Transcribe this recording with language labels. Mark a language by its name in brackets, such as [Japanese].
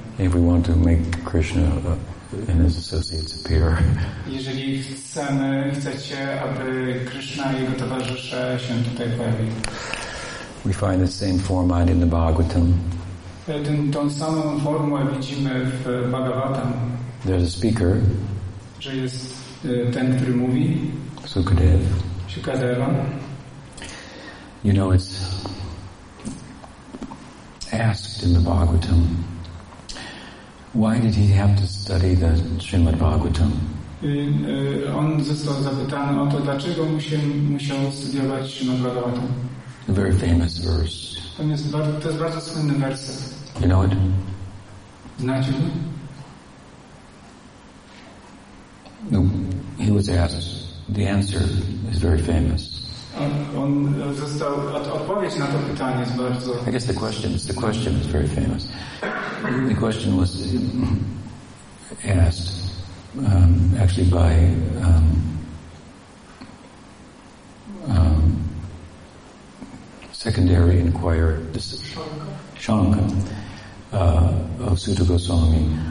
[English] If we want to make Krishna and his associates appear. [Polish] Jeżeli chcecie, aby Krishna i jego towarzysze się tutaj pojawili. [English] We find the same format in the Bhagavatam. [Polish] Tą samą formułę widzimy w Bhagavatam. [English] There's a speaker. [Polish] Że jest ten, który mówi. [English] Sukadeva. You know, it's asked in the Bhagavatam. Why did he have to study the Srimad Bhagavatam? [Polish] On został zapytany o to, dlaczego musiał studiować Srimad Bhagavatam. [English] A very famous verse. [Polish] To jest bardzo słynny werset. [English] You know it? [Polish] Znacie go? [English] No, he was asked. The answer is very famous. [Polish] On został, odpowiedź na to pytanie jest bardzo... [English] I guess the question is very famous. The question was asked, actually by secondary inquirer, Shankar, of Suta Goswami.